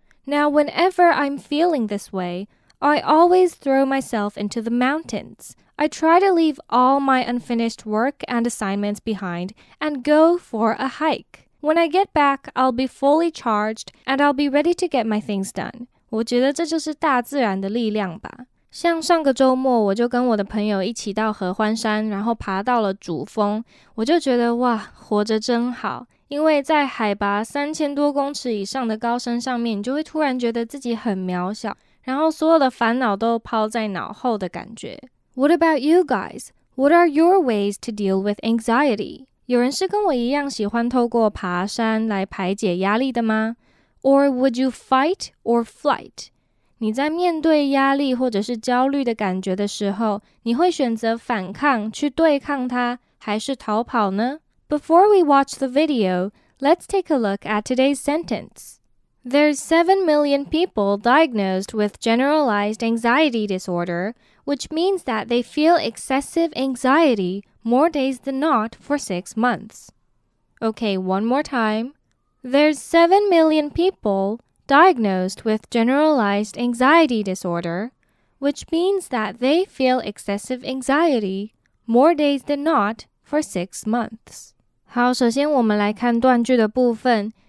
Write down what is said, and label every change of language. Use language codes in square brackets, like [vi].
[en] Now, whenever I'm feeling this way, I always throw myself into the mountains. I try to leave all my unfinished work and assignments behind and go for a hike. When I get back, I'll be fully charged and I'll be ready to get my things done. [zh] 我觉得这就是大自然的力量吧。像上个周末，我就跟我的朋友一起到合欢山，然后爬到了主峰。我就觉得哇，活着真好。因为在海拔3000多公尺以上的高山上面，你就会突然觉得自己很渺小，然后所有的烦恼都抛在脑后的感觉。 [en] What about you guys? What are your ways to deal with anxiety? [zh] 有人是跟我一样喜欢透过爬山来排解压力的吗？ [en] Or would you fight or flight? [zh] 你在面对压力或者是焦虑的感觉的时候，你会选择反抗去对抗它，还是逃跑呢？ [en] Before we watch the video, let's take a look at today's sentence. There's 7 million people diagnosed with generalized anxiety disorder, which means that they feel excessive anxiety more days than not for 6 months. Okay, one more time. There's 7 million people diagnosed with generalized anxiety disorder, which means that they feel excessive anxiety more days than not for 6 months. [zh] 好，首先我们来看断句的部分。